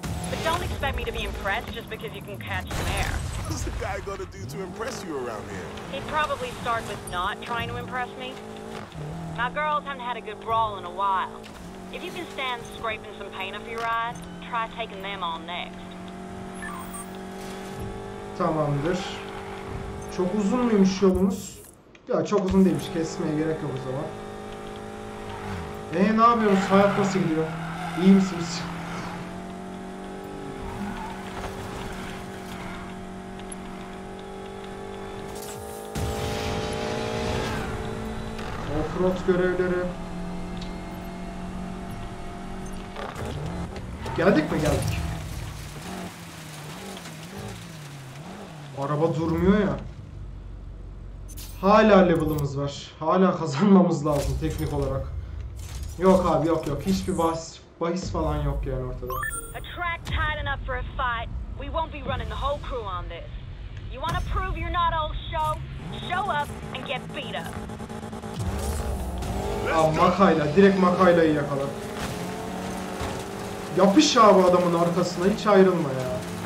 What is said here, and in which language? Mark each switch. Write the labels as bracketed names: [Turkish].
[English] But don't expect me to be impressed just because you can catch some air. What's the guy gonna do to impress you around here? He'd probably start with not trying to impress me. My girls haven't had a good brawl in a while. If you can stand scraping some paint off your eyes, try taking them on next. [Turkish] Tamamdır. Çok uzun muymuş yolumuz? Ya çok uzun değilmiş. Kesmeye gerek yok o zaman. Ne yapıyoruz? Hayat nasıl gidiyor? İyi misiniz? Offroad görevleri. Geldik mi? Geldik. Araba durmuyor ya. Hala level'ımız var. Hala kazanmamız lazım teknik olarak. Yok abi, yok yok. Hiçbir bahis falan yok yani ortada. [English] A track tight enough for a fight. We won't be running the whole crew on this. You wanna prove you're not old show? Show up and get beat up. [Turkish] Aa, Makayla. Direkt Makayla'yı yakala. Yapış abi adamın arkasına. Hiç ayrılma ya.